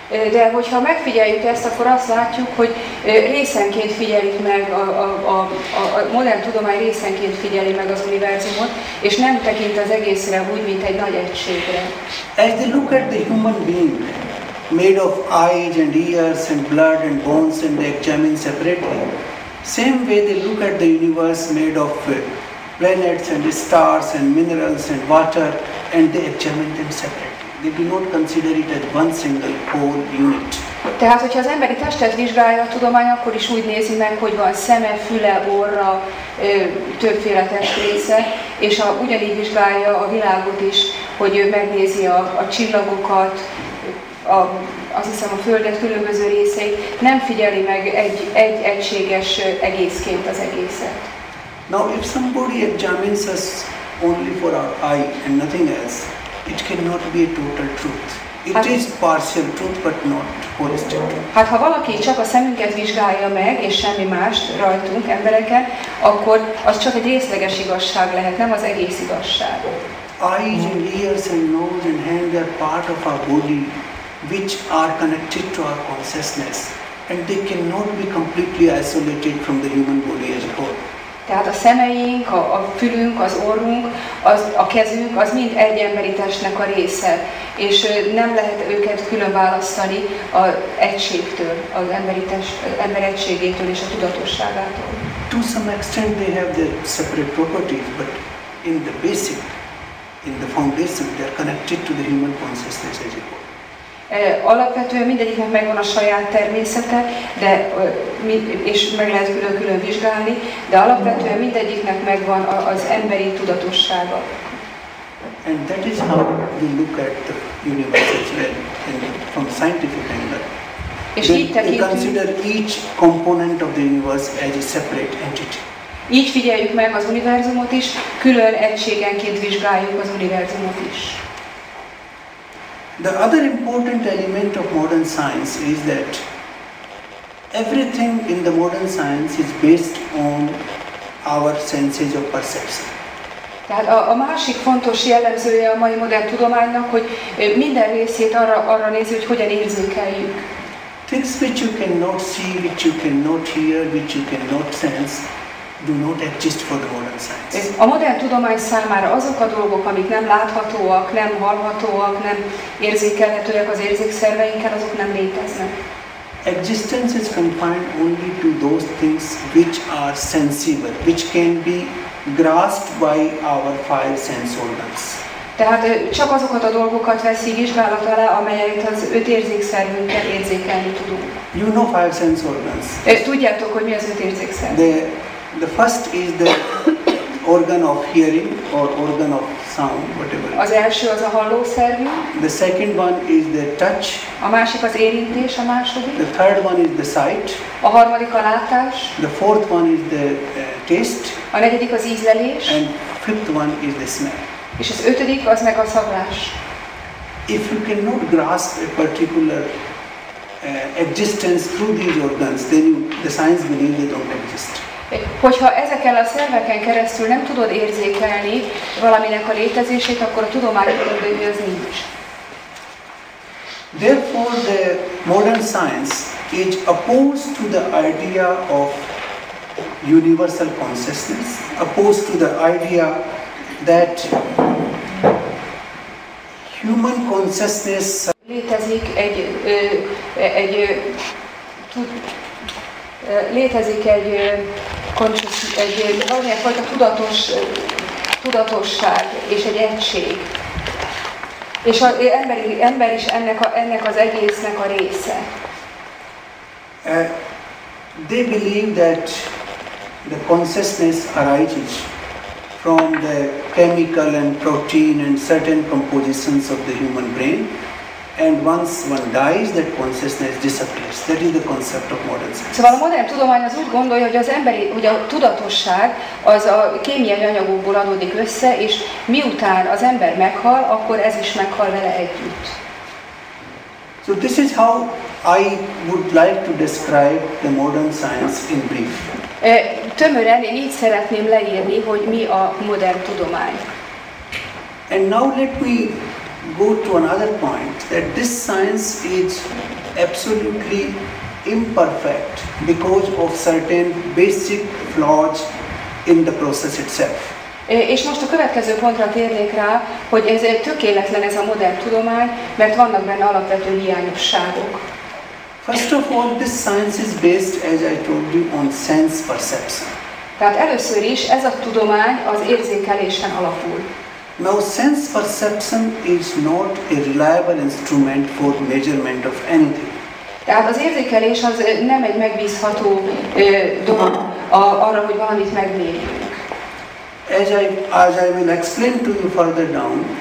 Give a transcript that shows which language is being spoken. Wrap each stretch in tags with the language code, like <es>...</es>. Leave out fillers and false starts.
<hu>De hogyha megfigyeljük ezt, akkor azt látjuk, hogy részenként figyelik meg a modern tudomány részenként figyeli meg az univerzumot, és nem tekint az egészre úgy, mint egy nagy egységre.</hu> <en>As they look at the human being, made of eyes and ears and blood and bones, and they examine separately. Same way they look at the universe made of planets and stars and minerals and water, and they examine them separately. They do not consider it as one single whole unit.</en> <hu>Tehát, hogyha az emberi testet vizsgálja a tudomány, akkor is úgy nézi meg, hogy van szeme, füle, orra, többféle testrésze, és ugyanígy vizsgálja a világot is, hogy ő megnézi a csillagokat, a azt hiszem a Földet különböző részeit, nem figyeli meg egy egységes egészként az egészet.</hu> <en>Now if somebody examines us only for our eye and nothing else, it cannot be a total truth. It is partial truth, but not holistic truth.</en> <hu>Hát ha valaki csak a szemünket vizsgálja meg, és semmi mást rajtunk, embereket, akkor az csak egy részleges igazság lehet, nem az egész igazság.</hu> <en>Eyes and ears and nose and hands are part of our body, which are connected to our consciousness, and they cannot be completely isolated from the human body as a whole.</en> <hu>Tehát a szemeink, a fülünk, az orrunk, az, a kezünk, az mind egy emberi testnek a része, és nem lehet őket különválasztani az egységtől, az emberi test, ember egységétől és a tudatosságától.</hu> <en>To some extent they have their separate properties, but in the basic, in the foundation, they are connected to the human consciousness as it were.</en> <hu>Alapvetően mindegyiknek megvan a saját természete, de és meg lehet külön-külön vizsgálni, de alapvetően mindegyiknek megvan az emberi tudatossága.</hu> <en>And that is how we look at the universe as well, and from scientific angle.</en> <hu>És így tekintünk.</hu> <en>We consider each component of the universe as a separate entity.</en> <hu>Így figyeljük meg az univerzumot is, külön egységenként vizsgáljuk az univerzumot is.</hu> <en>The other important element of modern science is that everything in the modern science is based on our senses of perception.</en> <hu>Tehát a másik fontos jellemzője a mai modern tudománynak, hogy minden részét arra nézi, hogy hogyan érzékeljük.</hu> <en>Things which you cannot see, which you cannot hear, which you cannot sense, do not exist for the modern science.</en> <hu>A modern tudomány számára azok a dolgok, amik nem láthatóak, nem hallhatóak, nem érzékelhetőek az érzékszerveinkkel, azok nem léteznek.</hu> <en>Existence is confined only to those things which are sensible, which can be grasped by our five sense organs.</en> <hu>Tehát csak azokat a dolgokat veszi vizsgálat alá, amelyeket az öt érzékszervünkkel érzékelni tudunk.</hu> <en>You know five sense organs.</en> <hu>Tudjátok, hogy mi az öt érzékszerv?</hu> <en>The first is the organ of hearing or organ of sound, whatever.</en> <hu>Az első az a hallószervünk.</hu> <en>The second one is the touch.</en> <hu>A másik az érintés, a második.</hu> <en>The third one is the sight.</en> <hu>A harmadik a látás.</hu> <en>The fourth one is the taste.</en> <hu>A negyedik az ízlelés.</hu> <en>And fifth one is the smell.</en> <hu>És az ötödik az meg a szaglás.</hu> <en>If you cannot grasp a particular existence through these organs, then the science believes they don't exist.</en> <hu>Hogyha ezeken a szerveken keresztül nem tudod érzékelni valaminek a létezését, akkor a tudomány tudod, hogy az nincs.</hu> <en>Therefore, the modern science is opposed to the idea of universal consciousness, opposed to the idea that human consciousness</en> <hu>létezik egy létezik egy valamilyenfajta tudatosság és egy egység. És az ember is ennek az egésznek a része.</hu> <en>They believe that the consciousness arises from the chemical and protein and certain compositions of the human brain. And once one dies, that consciousness disappears. That is the concept of modern science.</en> <hu>Szóval a modern tudomány az úgy gondolja, hogy az emberi, hogy a tudatosság az a kémiai anyagokból adódik össze, és miután az ember meghal, akkor ez is meghal vele együtt.</hu> <en>So this is how I would like to describe the modern science in brief.</en> <hu>Tömören én így szeretném leírni, hogy mi a modern tudomány.</hu> <en>And now let me go to another point, that this science is absolutely imperfect because of certain basic flaws in the process itself.</en> <hu>És most a következő pontra térnék rá, hogy ez tökéletlen ez a modern tudomány, mert vannak benne alapvető hiányosságok.</hu> <en>First of all, this science is based, as I told you, on sense perception.</en> <hu>Tehát először is ez a tudomány az érzékelésen alapul.</hu> <en>Now, sense perception is not a reliable instrument for measurement of anything.</en> <hu>Tehát az érzékelés az nem egy megbízható dolog arra, hogy valamit megmérjünk.</hu> <en>As I will explain to you further down,</en>